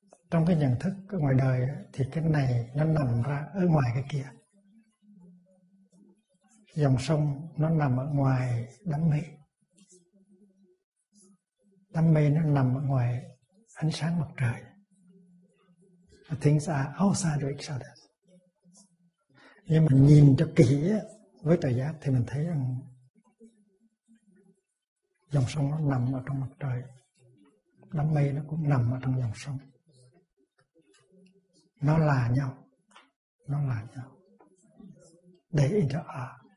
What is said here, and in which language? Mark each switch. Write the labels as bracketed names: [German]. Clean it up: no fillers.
[Vietnamese] Trong cái nhận thức ở ngoài đời thì cái này nó nằm ra ở ngoài cái kia. Dòng sông nó nằm ở ngoài đám mây. Đám mây nó nằm ở ngoài ánh sáng mặt trời. [English] The things are outside each other. [Vietnamese] Nhưng mà nhìn cho kỹ với tờ giác thì mình thấy rằng dòng sông nó nằm ở trong mặt trời. Đám mây nó cũng nằm ở trong dòng sông. Nó là nhau. Nó là nhau. [English] They inter are.